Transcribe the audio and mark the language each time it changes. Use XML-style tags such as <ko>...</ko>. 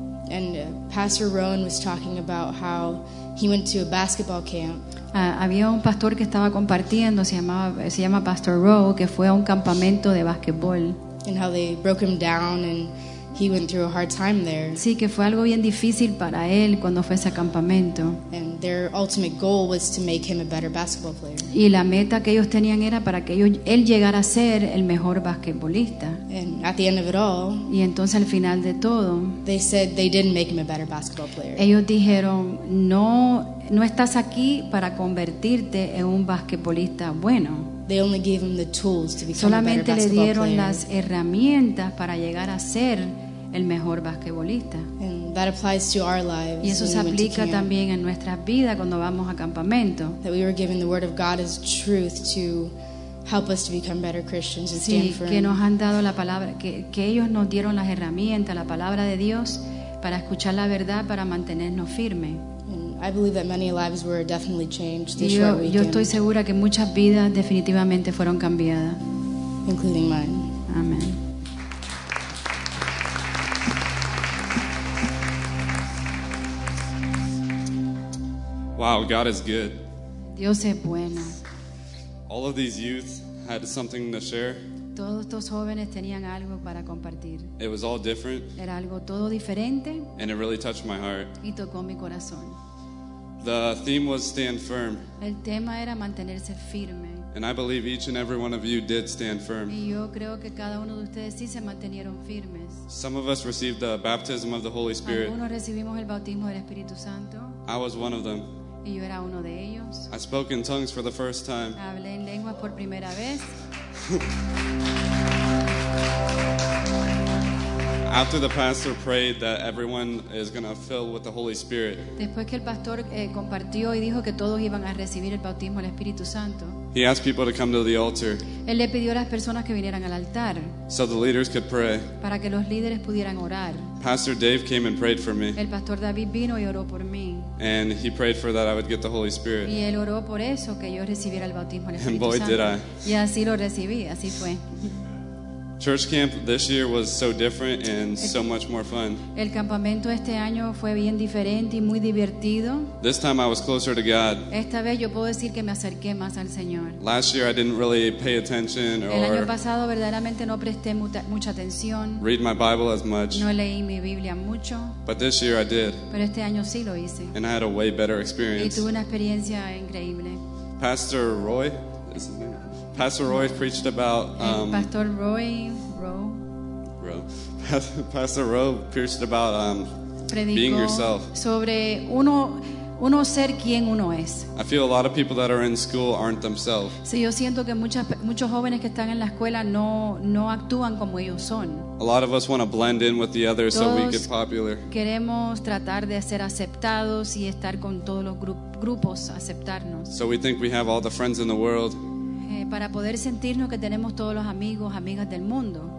<en>And Pastor Rowan was talking about how he went to a basketball camp.</en> <es>Había un pastor que estaba compartiendo, se llama Pastor Rowe, que fue a un campamento de basketball.</es> <en>And how they broke him down and he went through a hard time there.</en> <es>Sí, que fue algo bien difícil para él cuando fue a ese campamento.</es> <en>And their ultimate goal was to make him a better basketball player.</en> <es>Y la meta que ellos tenían era para que él llegara a ser el mejor basquetbolista.</es> <en>And at the end of it all,</en> <es>y entonces al final de todo,</es> <en>they said they didn't make him a better basketball player.</en> <es>Ellos dijeron, no estás aquí para convertirte en un basquetbolista bueno.</es> <en>They only gave him the tools to become a better</en> <es>Solamente le dieron</es> <en>player.</en> <es>Las herramientas para llegar a ser el mejor basquetbolista.</es> <en>And that applies to our lives.</en> <es>Y eso</es> <en>when</en> <es>se aplica</es> <en>we</en> <es>también en nuestras vidas cuando vamos a campamento.</es> <en>That we were given the word of God as truth to help us to become better Christians and</en> <es>sí,</es> <en>stand firm.</en> <es>Que nos han dado la palabra, que ellos nos dieron las herramientas, la palabra de Dios para escuchar la verdad para mantenernos firmes.</es> <en>I believe that many lives were definitely changed this short weekend.</en> <es>Yo estoy segura que muchas vidas definitivamente fueron cambiadas.</es> <en>Including mine. Amen. Wow, God is good.</en> <es>Dios es bueno.</es> <en>All of these youth had something to share.</en> <es>Todos estos jóvenes tenían algo para compartir.</es> <en>It was all different.</en> <es>Era algo todo diferente.</es> <en>And it really touched my heart.</en> <es>Y tocó mi corazón.</es> <en>The theme was stand firm.</en> <es>El tema era mantenerse firme.</es> <en>And I believe each and every one of you did stand firm.</en> <es>Y yo creo que cada uno de ustedes sí se mantenieron firmes.</es> <en>Some of us received the baptism of the Holy Spirit.</en> <es>Algunos recibimos el bautismo del Espíritu Santo.</es> <en>I was one of them.</en> <es>Y yo era uno de ellos.</es> <en>I spoke in tongues for the first time.</en> <es>Hablé en lenguas por primera vez.</es> <en>After the pastor prayed that everyone is going to fill with the Holy Spirit.</en> <es>Después que el pastor compartió y dijo que todos iban a recibir el bautismo del Espíritu Santo.</es> <en>He asked people to come to the altar.</en> <es>Él le pidió a las personas que vinieran al altar.</es> <en>So the leaders could pray.</en> <es>Para que los líderes pudieran orar.</es> <en>Pastor Dave came and prayed for me.</en> <es>El pastor David vino y oró por mí.</es> <en>And he prayed for that I would get the Holy Spirit.</en> <es>Y él oró por eso que yo recibiera el bautismo del Espíritu</es> <en>Santo. And boy, did I.</en> <es>Y así lo recibí, así fue.</es> <en>Church camp this year was so different and so much more fun.</en> <es>El campamento este año fue bien diferente y muy divertido.</es> <en>This time I was closer to God.</en> <es>Esta vez yo puedo decir que me acerqué más al Señor.</es> <en>Last year I didn't really pay attention or</en> <es>El año pasado verdaderamente no presté mucha atención.</es> <en>Read my Bible as much.</en> <es>No leí mi Biblia mucho.</es> <en>But this year I did.</en> <es>Pero este año sí lo hice.</es> <en>And I had a way better experience.</en> <es>Y tuve una experiencia increíble.</es> <en>Pastor Roy, is his name? Pastor Roy preached about Pastor Roy preached about</en> <es>predicó</es> <en>being yourself.</en> <es>Sobre uno Uno ser quien uno es.</es> <en>I feel a lot of people that are in school aren't themselves.</en> <es>Sí, yo siento que muchos jóvenes que están en la escuela no actúan como ellos son.</es> <en>A lot of us want to blend in with the others so we get popular.</en> <es>Queremos tratar de ser aceptados y estar con todos los grupos, aceptarnos.</es> <en>So we think we have all the friends in the world.</en> <es>Para poder sentirnos que tenemos todos los amigos, amigas del mundo.</es>